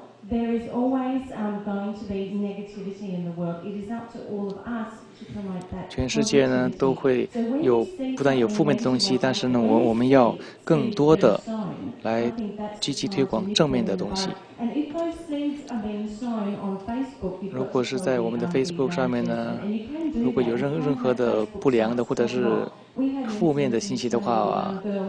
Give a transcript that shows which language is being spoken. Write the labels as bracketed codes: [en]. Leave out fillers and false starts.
[en] There is always going to be negativity in the world. It is up to all of us to promote that. [zh] 全世界呢都会有不但有负面的东西，但是呢我们要更多的来积极推广正面的东西。 [en] And if those seeds are being sown on Facebook, [zh] 如果是在我们的 Facebook 上面呢，如果有任何的不良的或者是负面的信息的话啊。